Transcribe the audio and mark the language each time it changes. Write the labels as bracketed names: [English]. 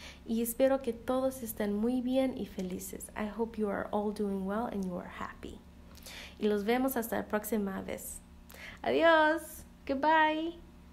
[Spanish] Y espero que todos estén muy bien y felices. [English] I hope you are all doing well and you are happy. [Spanish] Y los vemos hasta la próxima vez. Adiós. Goodbye.